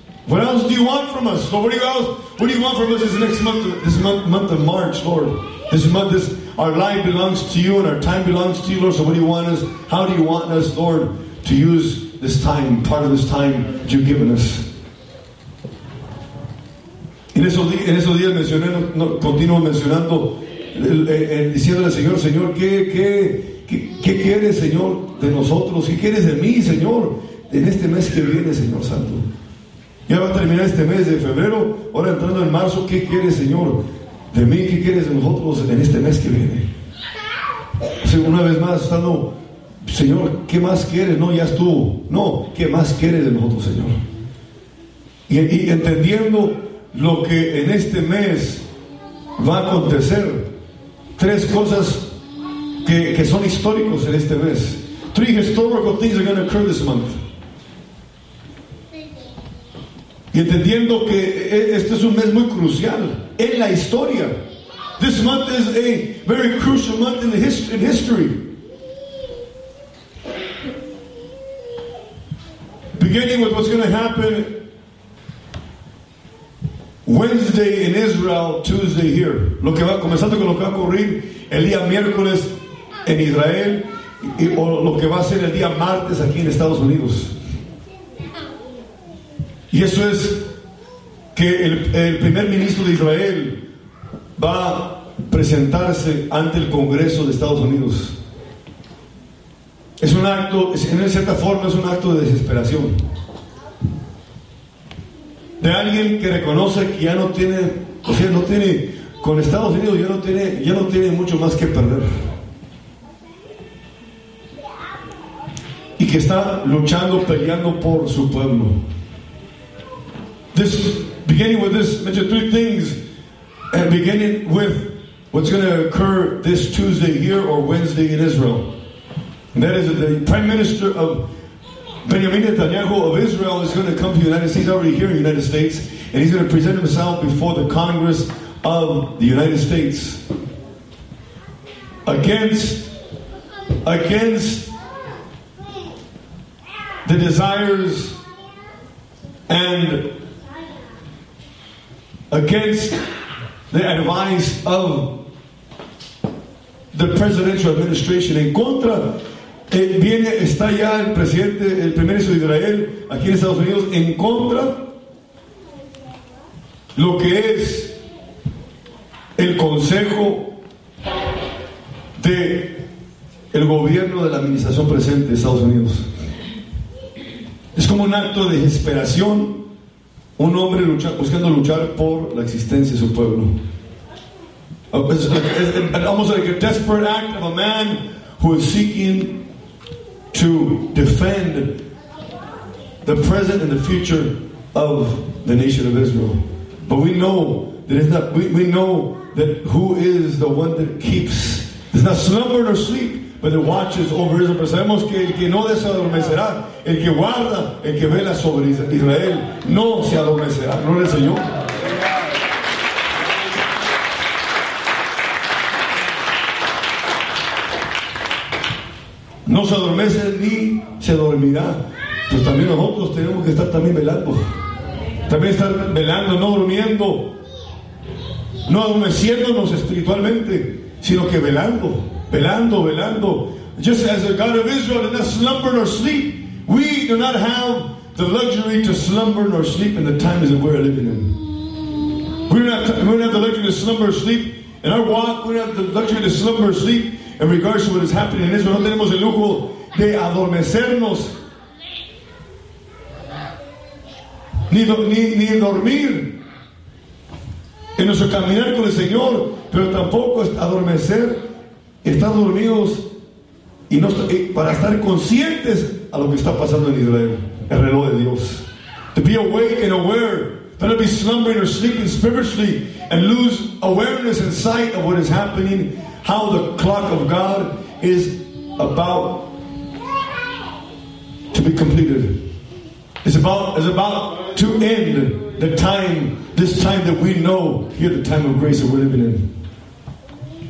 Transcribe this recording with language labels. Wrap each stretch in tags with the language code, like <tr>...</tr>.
<en>What else do you want from us? Lord, what do you want from us this month of March, Lord? This month, our life belongs to you and our time belongs to you, Lord. So what do you want us? How do you want us, Lord, to use this time, part of this time that you've given us?</en> <es>En esos días mencioné, continuo mencionando, diciéndole al Señor, Señor, ¿qué quieres, Señor, de nosotros? ¿Qué quieres de mí, Señor, en este mes que viene, Señor Santo? Ya va a terminar este mes de febrero, ahora entrando en marzo, ¿qué quieres, Señor, de mí? ¿Qué quieres de nosotros en este mes que viene? O sea, una vez más, estando, Señor, ¿qué más quieres? No, ya estuvo. No, ¿qué más quieres de nosotros, Señor? Y entendiendo lo que en este mes va a acontecer, tres cosas que son históricos en este mes.</es> <en>Three historical things are going to occur this month.</en> <es>Y entendiendo que este es un mes muy crucial en la historia.</es> <en>This month is a very crucial month in history. Beginning with what's going to happen Wednesday in Israel, Tuesday here.</en> <es>Lo que va comenzando con lo que va a ocurrir el día miércoles en Israel, y, o lo que va a ser el día martes aquí en Estados Unidos. Y eso es que el primer ministro de Israel va a presentarse ante el Congreso de Estados Unidos. Es un acto, en cierta forma, es un acto de desesperación. De alguien que reconoce que ya no tiene, o sea, no tiene, con Estados Unidos ya no tiene mucho más que perder. Y que está luchando, peleando por su pueblo.</es> <en>This, beginning with this, mention three things, and beginning with what's going to occur this Tuesday here or Wednesday in Israel. And that is the Prime Minister of Benjamin Netanyahu of Israel is going to come to the United States. He's already here in the United States, and he's going to present himself before the Congress of the United States against the desires and against the advice of the presidential administration.</en> <es>En contra, viene, está ya el presidente, el primer ministro de Israel, aquí en Estados Unidos, en contra lo que es el consejo de el gobierno de la administración presente de Estados Unidos. Es como un acto de desesperación Un hombre lucha, buscando luchar por la existencia de su pueblo.</es> <en>It's almost like a desperate act of a man who is seeking to defend the present and the future of the nation of Israel. But we know that it's not, we know that who is the one that keeps, does not slumber nor sleep, but that watches over Israel.</en> <es>Pero sabemos que el que no desadormecerá, el que guarda, el que vela sobre Israel, no se adormecerá. ¿No es el Señor? No se adormece ni se dormirá. Pues también nosotros tenemos que estar también velando. También estar velando, no durmiendo. No adormeciéndonos espiritualmente, sino que velando, velando, velando.</es> <en>Just as the God of Israel did not slumber nor sleep, we do not have the luxury to slumber nor sleep in the times that we are living in. We don't have the luxury to slumber or sleep in our walk. We don't have the luxury to slumber or sleep in regards to what is happening in Israel.</en> <es>No tenemos el lujo de adormecernos ni dormir en nuestro caminar con el Señor, pero tampoco adormecer, estar dormidos y no, para estar conscientes a lo que está pasando en Israel, el reloj de Dios.</es> <en>To be awake and aware, not to be slumbering or sleeping spiritually and lose awareness and sight of what is happening, how the clock of God is about to be completed. It's about to end the time, this time that we know here, the time of grace that we're living in.</en>